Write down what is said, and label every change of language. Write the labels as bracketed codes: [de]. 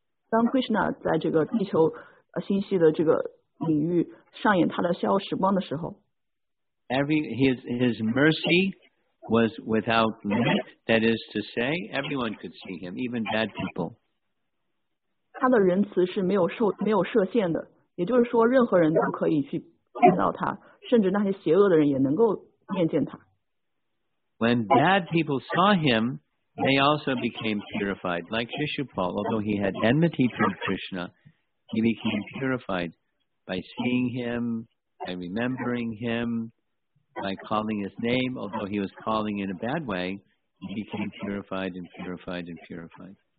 [zh] 当 Krishna 在这个地球星系的这个领域上演他的逍遥时光的时候 [en] his mercy was without limit, that is to say, everyone could see him, even bad people. [zh] 他的仁慈是没有设限的，也就是说任何人都可以去见到他，甚至那些邪恶的人也能够面见他。 [en] When bad people saw him, they also became purified, like Shishupal, although he had enmity toward Krishna, he became purifiedby seeing him, by remembering him, by calling his name, although he was calling in a bad way, he became purified and purified and purified.